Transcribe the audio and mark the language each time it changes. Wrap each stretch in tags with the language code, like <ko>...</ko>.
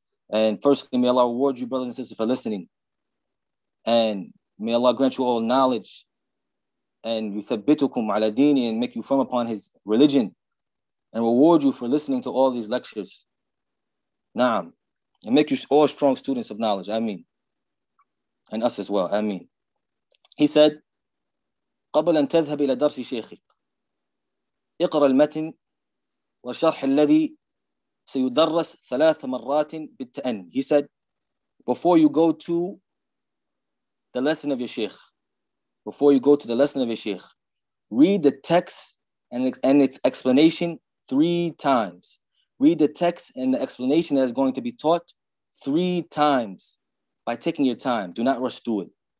<en>And firstly, may Allah reward you brothers and sisters for listening. And may Allah grant you all knowledge and</en> <ar>yuthabbitukum ala deeni,</ar> <en>and make you firm upon his religion, and reward you for listening to all these lectures. Naam. And make you all strong students of knowledge. Ameen. And us as well. Ameen. He said,</en> <ar>قبل أن تذهب إلى درس شيخك اقرأ المتن وشرح الذي سيدرس ثلاث مرات بالتأني.</ar> <en>He said, before you go to the lesson of your sheikh, before you go to the lesson of your sheikh, read the text and its explanation three times. Read the text and the explanation that is going to be taught three times by taking your time. Do not rush through it.</en>